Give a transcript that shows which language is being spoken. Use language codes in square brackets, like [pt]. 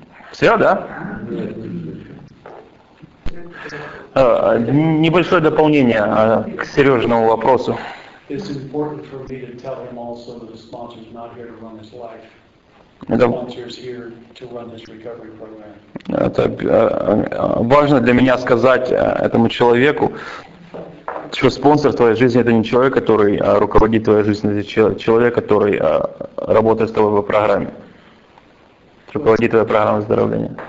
[ru] Все, да? Небольшое дополнение к Сережному вопросу. [en] It's important for me to tell him also that the sponsor is not here to run his life. Sponsor is here to run his recovery program. [ru] Это важно для меня сказать этому человеку, что спонсор твоей жизни это не человек, который руководит твоей жизнью, это человек, который работает с тобой по программе, руководит твоей программой выздоровления.